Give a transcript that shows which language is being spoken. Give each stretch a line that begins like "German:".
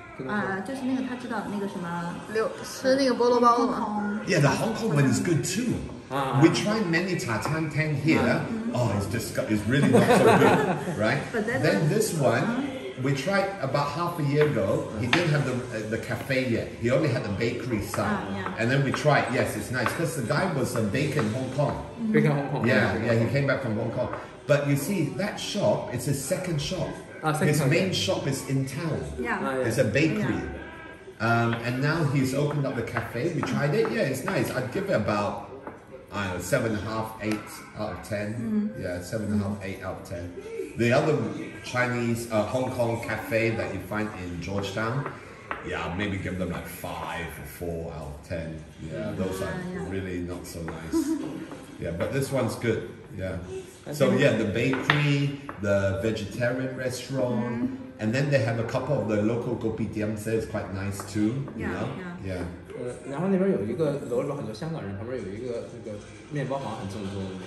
Chinese: 啊，就是那个他知道那个什么六吃那个菠萝包了吗？
English: Yeah, the Hong Kong one is good too. We tried many 茶餐厅 here. Oh, it's really not so good, right? Then this one. We tried about half a year ago. He didn't have the cafe yet. He only had the bakery side. And then we tried. Yes, it's nice. Because the guy was a baker in Hong Kong. Baker Hong Kong. Yeah, he came back from Hong Kong. But you see, that shop, it's his second shop. His main shop is in town. Yeah. It's a bakery. And now he's opened up the cafe. We tried it. Yeah, it's nice. I'd give it about, I don't know, 7.5, 8 out of 10. Yeah, 7.5, 8 out of 10. The other Chinese, Hong Kong cafe that you find in Georgetown, yeah, maybe give them like 5 or 4 out of 10. Yeah, those are really not so nice. Yeah, but this one's good. Yeah. So yeah, the bakery, the vegetarian restaurant, mm-hmm. and then they have a couple of the local kopitiam. So it's quite nice too. Yeah. You know? Yeah.
Chinese: 然后那边有一个楼里边很多香港人，旁边有一个这个面包房很正宗。